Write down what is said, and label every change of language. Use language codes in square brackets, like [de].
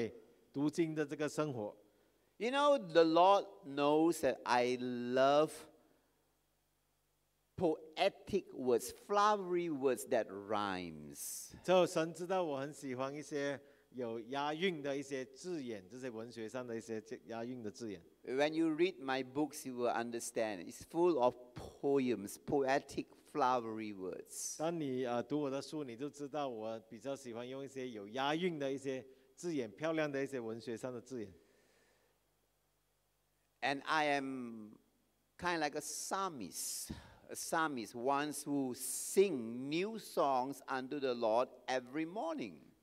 [zh] 这个那口井也预表着你的这个生活，还有你这个敬拜赞美读经的这个生活。 [en] You know, the Lord knows that I love poetic words, flowery words that rhymes. [zh] 就神知道我很喜欢一些有押韵的一些字眼，这些文学上的一些押韵的字眼。 [en] When you read my books, you will understand. It's full of poems, poetic, flowery words. [zh] 当你读我的书，你就知道我比较喜欢用一些有押韵的一些字眼，漂亮的一些文学上的字眼。 [en] And I am kind of like a psalmist, ones who sing new songs unto the Lord every morning.